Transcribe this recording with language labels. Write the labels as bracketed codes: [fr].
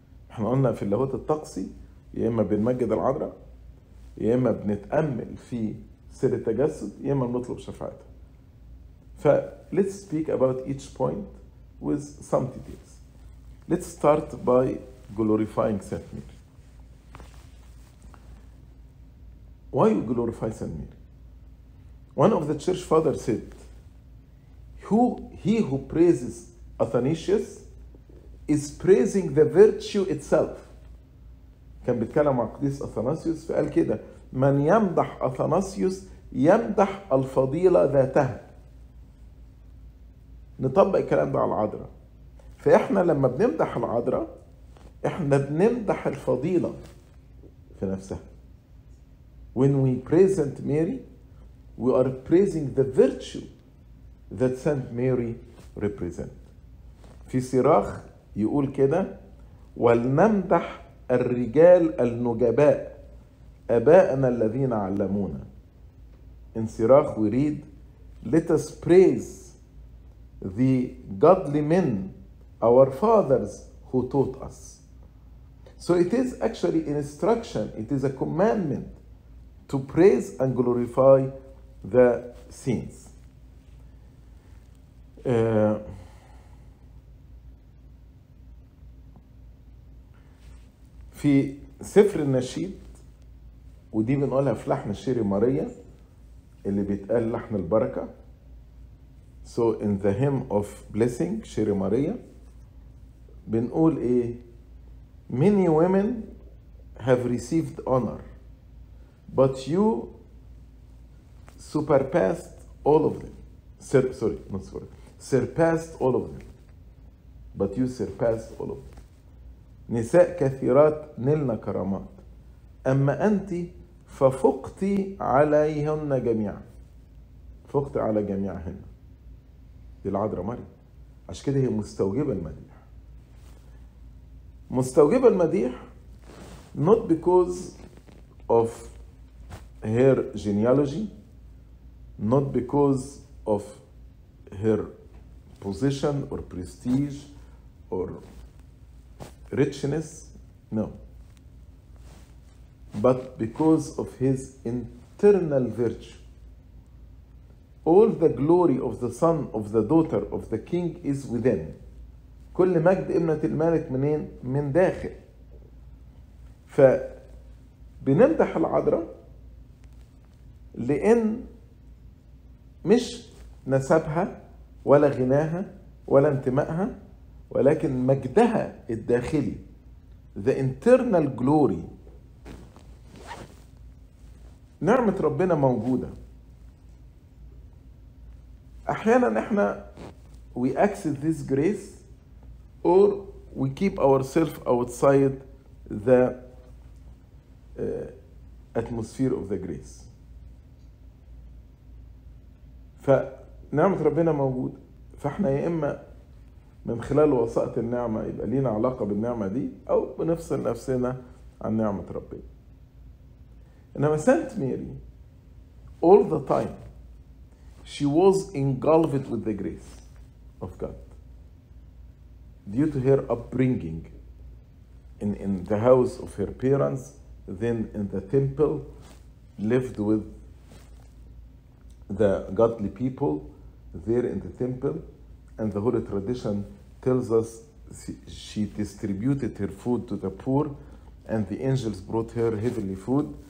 [ar] احنا قلنا في اللاهوت الطقسي يا اما بنمجد العذراء يا اما بنتامل في سر التجسد يا اما بنطلب شفاعتها. [en] ف let's speak about each point with some details. Let's start by glorifying Saint Mary. Why you glorify Saint Mary? One of the church fathers said, he who praises Athanasius is praising the virtue itself. [ar] كان بيتكلم عن قديس أثناسيوس فقال كده من يمدح أثناسيوس يمدح الفضيلة ذاتها. نطبق الكلام ده على العذراء. فإحنا لما بنمدح العذراء إحنا بنمدح الفضيلة في نفسها. [en] When we present Mary, we are praising the virtue that Saint Mary represent. [ar] في صراخ يقول كده: ولنمدح الرجال النجباء أباءنا الذين علمونا. [en] In Sirach we read: Let us praise the godly men, our fathers who taught us. So it is actually an instruction, it is a commandment to praise and glorify the saints. [ar] في سفر النشيد، ودي بنقولها في لحن الشيري ماريا اللي بيتقال لحن البركة. [en] So in the hymn of blessing, شيري ماريا، [ar] بنقول ايه: [en] Many women have received honor, but you surpassed all of them. Surpassed all of them. But you surpassed all of them. [ar] نساء كثيرات نلنا كرامات، أما أنت ففقتي عليهن جميعا. فقتي على جميعهن. دي العذراء مريم. عشان كده هي مستوجبة المديح. مستوجبة المديح [en] not because of her genealogy, not because of her position or prestige or richness, no, but because of his internal virtue. All the glory of the son, of the daughter, of the king is within. [ar] كل مجد ابنة الملك منين؟ من داخل. فبنمدح العذراء لأن مش نسبها ولا غناها ولا انتمائها، ولكن مجدها الداخلي، [en] the internal glory. [ar] نعمة ربنا موجودة. أحيانا احنا [en] we access this grace or we keep ourselves outside the atmosphere of the grace. [ar] فنعمة ربنا موجود، فاحنا يا إما من خلال وسائط النعمة يبقى لينا علاقة بالنعمة دي، أو بنفصل نفسنا عن نعمة ربنا. [en] إنما Saint Mary all the time she was engulfed with the grace of God due to her upbringing in the house of her parents, then in the temple, lived with the godly people there in the temple, and the holy tradition tells us she distributed her food to the poor and the angels brought her heavenly food.